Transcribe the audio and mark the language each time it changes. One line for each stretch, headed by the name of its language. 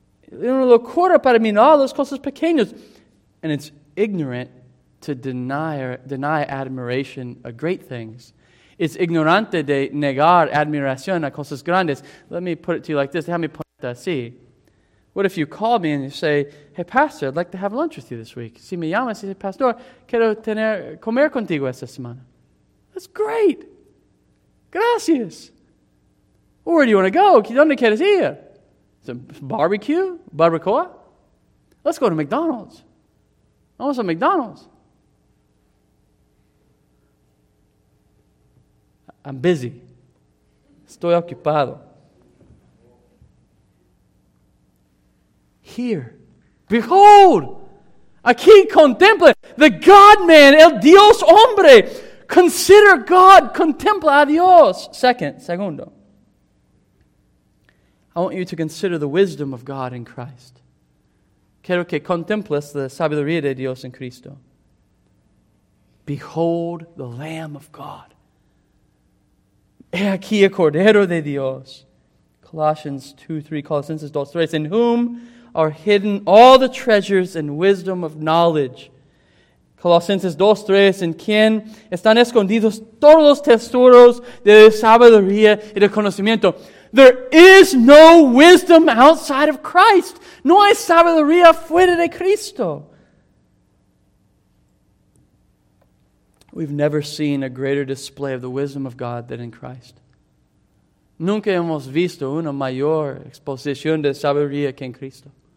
Spanish: Una locura para mirar las cosas pequeñas.
English: And it's ignorant to deny admiration of great things. It's
Spanish: ignorante de negar admiración a cosas grandes.
English: Let me put it to you like this.
Spanish: Déjame poner esto así.
English: What if you call me and you say, hey, pastor, I'd like to have lunch with you this week.
Spanish: Si me llamas y dices, pastor, quiero tener comer contigo esta semana.
English: That's great. Gracias. Well, where do you want to go?
Spanish: ¿Dónde quieres ir?
English: Is it barbecue? Barbacoa? Let's go to McDonald's. I want some McDonald's. I'm busy.
Spanish: Estoy ocupado.
English: Here. Behold!
Spanish: Aquí contempla
English: the God-man,
Spanish: el Dios hombre.
English: Consider God.
Spanish: Contempla a Dios. Segundo.
English: I want you to consider the wisdom of God in Christ.
Spanish: Quiero que contemples la sabiduría de Dios en Cristo.
English: Behold the Lamb of God.
Spanish: He aquí el Cordero de Dios.
English: Colossians 2:3, in whom are hidden all the treasures and wisdom of knowledge.
Spanish: Colossians 2:3, en quien están escondidos todos los tesoros de sabiduría y de conocimiento.
English: There is no wisdom outside of Christ.
Spanish: No hay sabiduría fuera de Cristo.
English: We've never seen a greater display of the wisdom of God than in Christ.
Spanish: Nunca hemos visto una mayor exposición de sabiduría que en Cristo.